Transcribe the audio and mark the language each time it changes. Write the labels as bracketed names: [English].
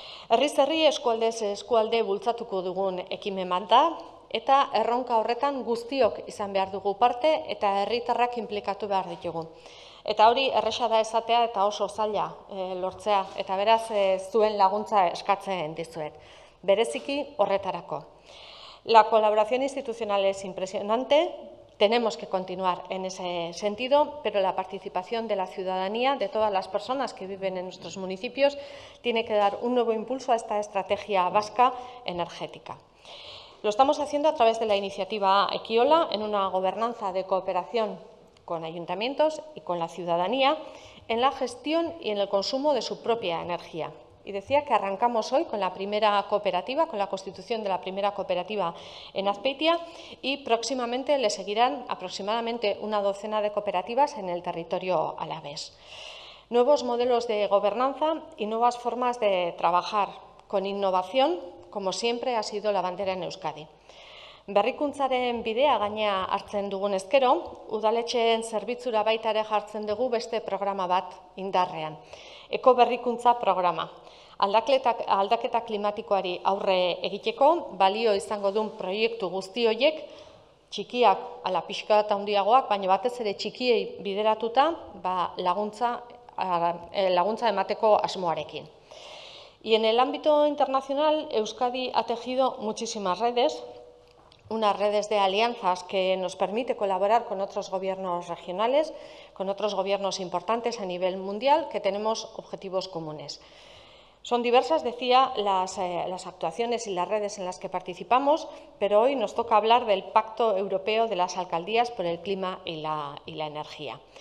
[Basque] Herriz-herri eskualdez eskualde bultzatuko dugun ekimen bat da, eta erronka horretan guztiok izan behar dugu parte eta herritarrak inplikatu behar ditugu. Eta hori erresa da esatea eta oso zaila lortzea, eta beraz zuen laguntza eskatzen dizuet. Bereziki horretarako. [Spanish] La colaboración institucional es impresionante, tenemos que continuar en ese sentido, pero la participación de la ciudadanía, de todas las personas que viven en nuestros municipios, tiene que dar un nuevo impulso a esta estrategia vasca energética. Lo estamos haciendo a través de la iniciativa Ekiola, en una gobernanza de cooperación con ayuntamientos y con la ciudadanía, en la gestión y en el consumo de su propia energía. Y decía que arrancamos hoy con la primera cooperativa, con la constitución de la primera cooperativa en Azpeitia y próximamente le seguirán aproximadamente una docena de cooperativas en el territorio alavés. Nuevos modelos de gobernanza y nuevas formas de trabajar con innovación, como siempre ha sido la bandera en Euskadi. [Basque] Berrikuntzaren bidea gaina hartzen dugun ezkero, udaletxeen zerbitzura baita ere jartzen dugu beste programa bat indarrean. Eko berrikuntza programa. Aldaketa klimatikoari aurre egiteko, balio izango duen proiektu guzti horiek, txikiak ala pixka eta handiagoak, baina batez ere txikiei bideratuta laguntza emateko asmoarekin. [Spanish] Y en el ámbito internacional, Euskadi ha tejido muchísimas redes, unas redes de alianzas que nos permite colaborar con otros gobiernos regionales, con otros gobiernos importantes a nivel mundial, que tenemos objetivos comunes. Son diversas, decía, las actuaciones y las redes en las que participamos, pero hoy nos toca hablar del Pacto Europeo de las Alcaldías por el Clima y la Energía.